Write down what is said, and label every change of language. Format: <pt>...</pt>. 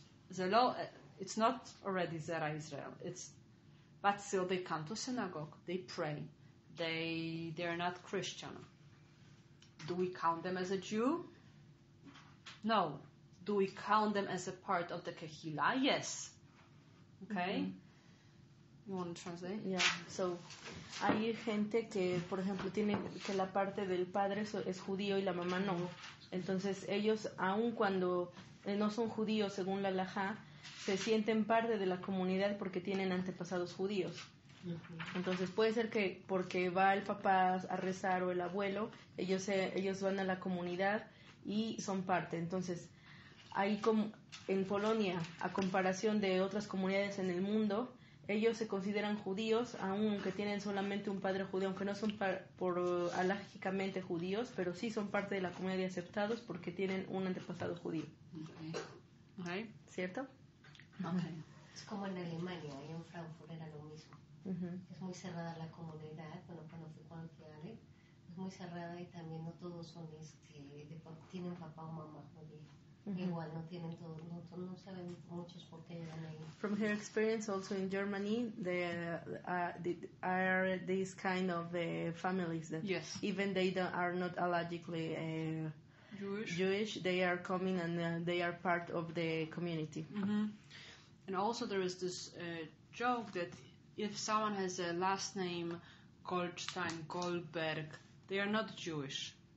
<en>The law, it's not already Zera Israel. It's, but still they come to synagogue, they pray. They are not Christian. Do we count them as a Jew? No. Do we count them as a part of the Kehillah? Yes. Okay. Mm-hmm. You want to translate? Yeah.</en> <es>So, hay gente que, por ejemplo, tiene que la parte del padre es judío y la mamá no. Entonces, ellos, aun cuando no son judíos según la halajá, se sienten parte de la comunidad porque tienen antepasados judíos. Entonces puede ser que porque va el papá a rezar o el abuelo, ellos van a la comunidad y son parte. Entonces ahí como en Polonia, a comparación de otras comunidades en el mundo, ellos se consideran judíos, aun que tienen solamente un padre judío, aunque no son por alágicamente judíos, pero sí son parte de la comunidad y aceptados porque tienen un antepasado judío.</es> <en>Okay.</en> <es>Okay. ¿Cierto?</es> <en>Okay.</en> <es>Es como en Alemania, ahí en Frankfurt era lo mismo. Uh-huh. Es muy cerrada la comunidad, bueno, cuando fui con Ale, es muy cerrada y también no todos son tienen papá o mamá judía. Uh-huh. Igual no tienen todos, no saben muchos por qué llegan ahí.</es> <en>From her experience also in Germany, there are these kind of families that yes. even they are not allergically Jewish, they are coming and they are part of the community. Mm-hmm. And also there is this joke that if someone has a last name Goldstein, Goldberg, they are not Jewish.</en>